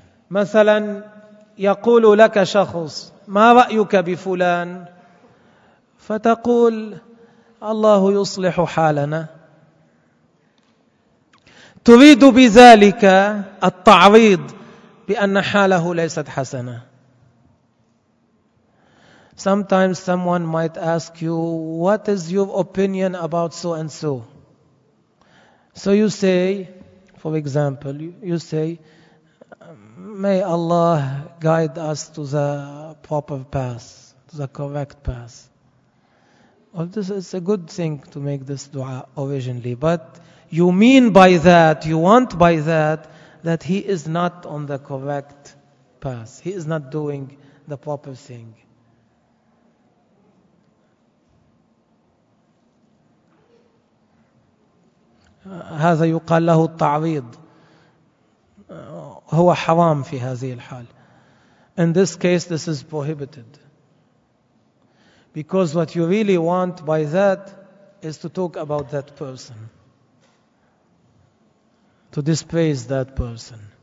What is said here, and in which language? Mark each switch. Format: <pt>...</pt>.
<ar>مثلا يقول لك شخص: ما رأيك بفلان؟ فتقول: الله يصلح حالنا. تريد بذلك التعريض بأن حاله ليست حسنة.</ar> <en>Sometimes someone might ask you, what is your opinion about so and so? So you say, for example, you say, may Allah guide us to the proper path, to the correct path. Well, this is a good thing to make this dua originally. But you mean by that, you want by that he is not on the correct path. He is not doing the proper thing.</en> <ar>هذا يقال له التعريض، هو حرام في هذه الحال.</ar> <en>In this case, this is prohibited. Because what you really want by that is to talk about that person, to dispraise that person.</en>